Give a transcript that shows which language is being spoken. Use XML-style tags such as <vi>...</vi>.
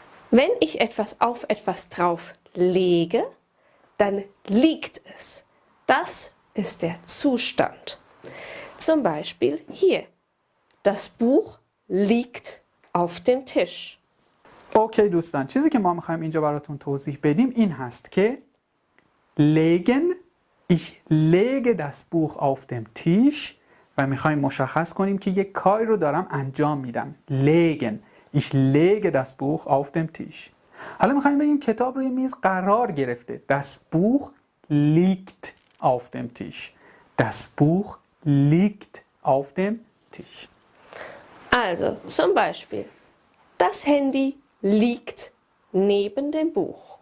<de>Wenn ich etwas auf etwas drauf lege, dann liegt es. Das ist der Zustand. Zum Beispiel hier. Das Buch liegt auf dem Tisch.</de> <fa>Okay, دوستان. چیزی که ما میخواییم اینجا براتون توضیح بدیم این هست که</fa> <de>legen, ich lege das Buch auf dem Tisch</de> <fa>و میخواییم مشخص کنیم که یک کاری رو دارم انجام میدم.</fa> <de>legen, ich lege das Buch auf dem Tisch.</de> <fa>حالا میخواییم بگیم کتاب روی میز قرار گرفته.</fa> <de>Das Buch liegt auf dem Tisch. Das Buch liegt auf dem Tisch. Also, zum Beispiel, das Handy liegt neben dem Buch.</de>